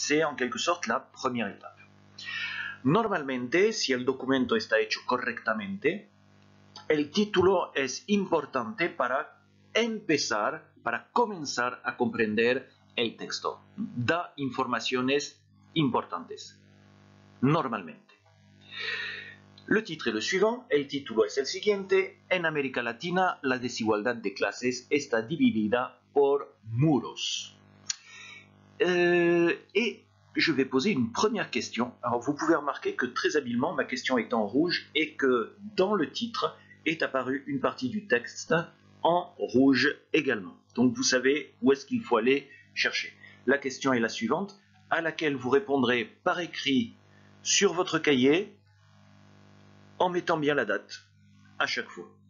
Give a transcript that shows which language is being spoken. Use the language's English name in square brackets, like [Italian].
[French] C'est en quelque sorte la première étape. [Spanish] Normalmente, si el documento está hecho correctamente, el título es importante para empezar, para comenzar a comprender el texto. Da informaciones importantes. Normalmente. [French] Le titre est le suivant, [Spanish] el título es el siguiente. En América Latina, la desigualdad de clases está dividida por muros. [French] Et je vais poser une première question. Alors vous pouvez remarquer que très habilement, ma question est en rouge et que dans le titre est apparue une partie du texte en rouge également. Donc vous savez où est-ce qu'il faut aller chercher. La question est la suivante, à laquelle vous répondrez par écrit sur votre cahier, en mettant bien la date, à chaque fois.